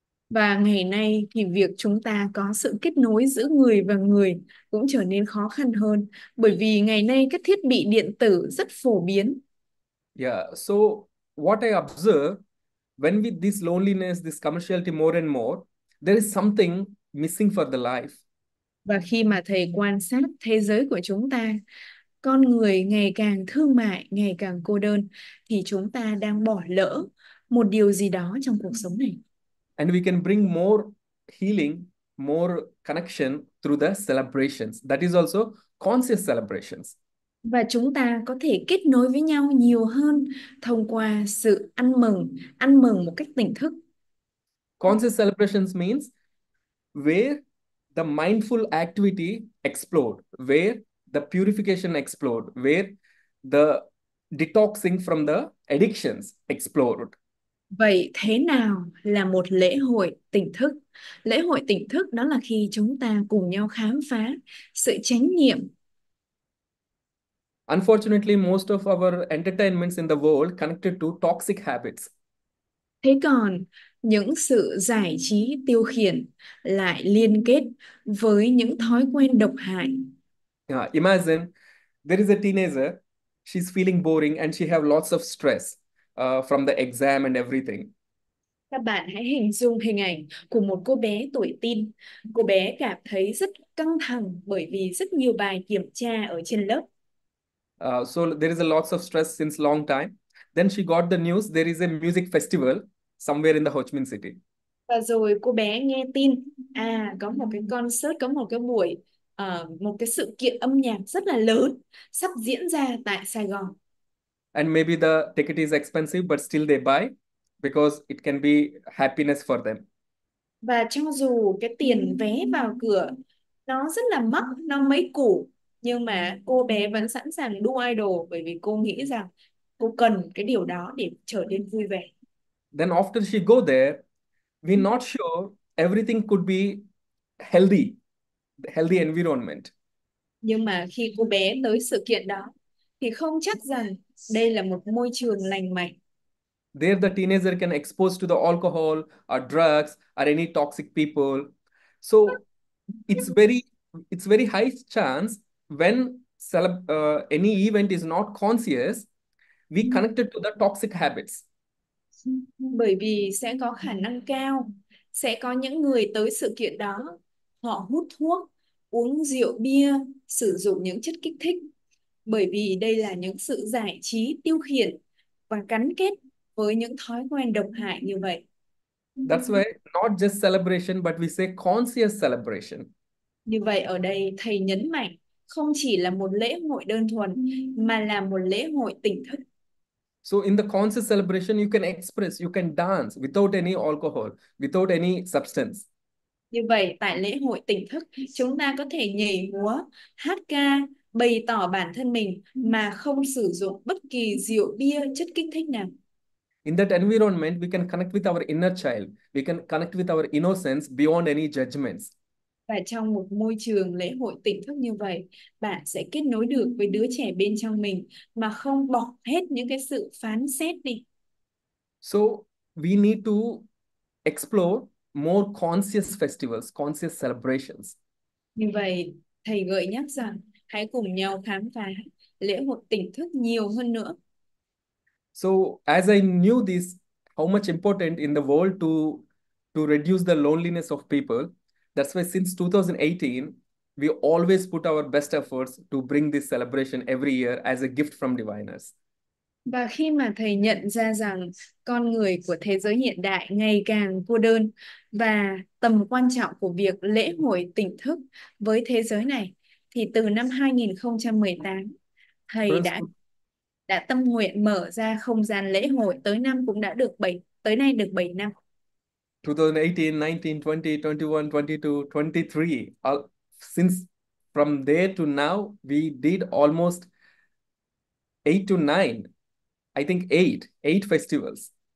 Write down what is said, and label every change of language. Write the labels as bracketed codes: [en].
[vi] Và ngày nay thì việc chúng ta có sự kết nối giữa người và người cũng trở nên khó khăn hơn bởi vì ngày nay các thiết bị điện tử rất phổ biến. [en] So what I observe when with this loneliness, this commerciality more and more, there is something missing for the life. [vi] Và khi mà thầy quan sát thế giới của chúng ta, con người ngày càng thương mại, ngày càng cô đơn, thì chúng ta đang bỏ lỡ một điều gì đó trong cuộc sống này. [en] And we can bring more healing, more connection through the celebrations. That is also conscious celebrations. [vi] Và chúng ta có thể kết nối với nhau nhiều hơn thông qua sự ăn mừng một cách tỉnh thức. [en] Conscious celebrations means where the mindful activity explode, where the purification explode, where the detoxing from the addictions explode. [vi] Vậy thế nào là một lễ hội tỉnh thức? Lễ hội tỉnh thức đó là khi chúng ta cùng nhau khám phá sự chánh niệm. [en] Unfortunately, most of our entertainments in the world connected to toxic habits. [vi] Thế còn những sự giải trí tiêu khiển lại liên kết với những thói quen độc hại. [en] Imagine there is a teenager, she's feeling boring and she have lots of stress from the exam and everything. [vi] Các bạn hãy hình dung hình ảnh của một cô bé tuổi teen. Cô bé cảm thấy rất căng thẳng bởi vì rất nhiều bài kiểm tra ở trên lớp. [en] So there is a lots of stress since long time. Then she got the news there is a music festival somewhere in the Ho Chi Minh City. [vi] Và rồi cô bé nghe tin, à, có một cái concert, có một cái buổi, một cái sự kiện âm nhạc rất là lớn sắp diễn ra tại Sài Gòn. [en] And maybe the ticket is expensive, but still they buy because it can be happiness for them. [vi] Và cho dù cái tiền vé vào cửa nó rất là mắc, nó mấy củ, nhưng mà cô bé vẫn sẵn sàng đu idol bởi vì cô nghĩ rằng cô cần cái điều đó để trở nên vui vẻ. [en] Then after she go there, we're not sure everything could be healthy, the healthy environment. [vi] Nhưng mà khi cô bé tới sự kiện đó thì không chắc rằng đây là một môi trường lành mạnh. [en] There the teenager can expose to the alcohol or drugs or any toxic people. So it's very high chance when any event is not conscious, we connected to the toxic habits. [vi] Bởi vì sẽ có khả năng cao sẽ có những người tới sự kiện đó họ hút thuốc, uống rượu bia, sử dụng những chất kích thích bởi vì đây là những sự giải trí tiêu khiển và gắn kết với những thói quen độc hại như vậy. [en] That's why not just celebration, but we say conscious celebration. [vi] Như vậy ở đây thầy nhấn mạnh không chỉ là một lễ hội đơn thuần mà là một lễ hội tỉnh thức. [en] So in the conscious celebration, you can express, you can dance without any alcohol, without any substance. [vi] Như vậy tại lễ hội tỉnh thức chúng ta có thể nhảy múa, hát ca, bày tỏ bản thân mình mà không sử dụng bất kỳ rượu bia, chất kích thích nào. [en] In that environment, we can connect with our inner child. We can connect with our innocence beyond any judgments. [vi] Và trong một môi trường lễ hội tỉnh thức như vậy, bạn sẽ kết nối được với đứa trẻ bên trong mình mà không bỏ hết những cái sự phán xét đi. [en] So we need to explore more conscious festivals, conscious celebrations. [vi] Như vậy, thầy gợi nhắc rằng hãy cùng nhau khám phá lễ hội tỉnh thức nhiều hơn nữa. [en] So as I knew this, how much important in the world to reduce the loneliness of people, that's why since 2018, we always put our best efforts to bring this celebration every year as a gift from diviners. [vi] Và khi mà thầy nhận ra rằng con người của thế giới hiện đại ngày càng cô đơn và tầm quan trọng của việc lễ hội tỉnh thức với thế giới này, thì từ năm 2018, thầy đã tâm nguyện mở ra không gian lễ hội tới năm cũng đã được 7 tới nay được 7 năm. [en] 2018, 19, 20, 21, 22, 23. Since from there to now, we did almost 8 to 9, I think 8 festivals.